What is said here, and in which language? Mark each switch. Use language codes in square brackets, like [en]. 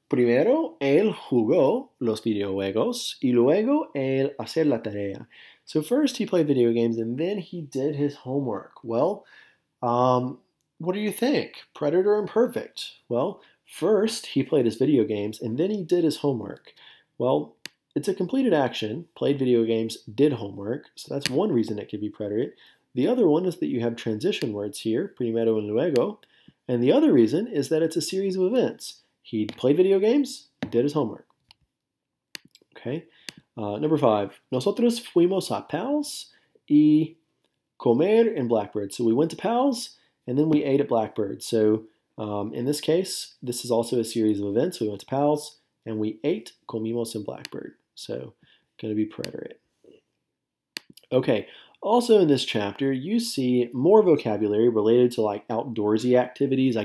[es] Primero, él jugó los videojuegos y luego él hacer la tarea. [en] So first he played video games and then he did his homework. Well, what do you think? Predator or imperfect? Well, first he played his video games and then he did his homework. Well, it's a completed action. Played video games, did homework. So that's one reason it could be preterite. The other one is that you have transition words here, primero and luego. And the other reason is that it's a series of events. He played video games, did his homework. Okay. Number 5. [es] Nosotros fuimos a Pals y comer en Blackbird. [en] So we went to Pals and then we ate at Blackbird. So in this case, this is also a series of events. We went to Pals and we ate, [es] comimos en Blackbird. [en] So going to be preterite. Okay. Also in this chapter, you see more vocabulary related to like outdoorsy activities.